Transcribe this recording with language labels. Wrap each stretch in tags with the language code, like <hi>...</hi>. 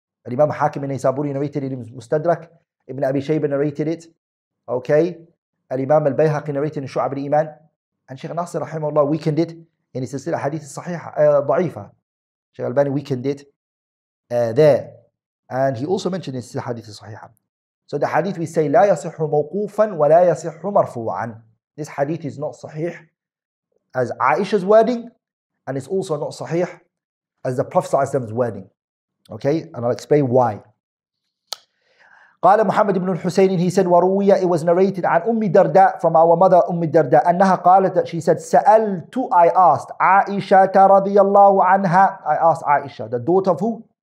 <en>Imam Hakim ibn Isaburi narrated it in Mustadrak. Ibn Abi Shayba narrated it. Okay. Imam al-Bayhaqi narrated it in Shu'ab al-Iman. And Sheikh Nasir rahimahullah weakened it. And he says that hadith is da'ifa. Sheikh al-Bani weakened it there. And he also mentioned this hadith is sahiha. So the hadith we say,</en> <ar>لا يصح موقوفا ولا يصح مرفوعا.</ar> <en>This hadith is not sahih as Aisha's wording, and it's also not sahih as the Prophet's wording. Okay, and I'll explain why.</en> <ar>قال محمد بن الحسين,</ar> <en>he said, وروية, it was narrated</en> <ar>عن أم الدرداء,</ar> <en>from our mother أم الدرداء,</en> <ar>أنها قالت,</ar> <en>that she said,</en> <ar>سألت,</ar> <en>I asked عائشة رضي الله عنها, I asked Aisha, the daughter of who?</en>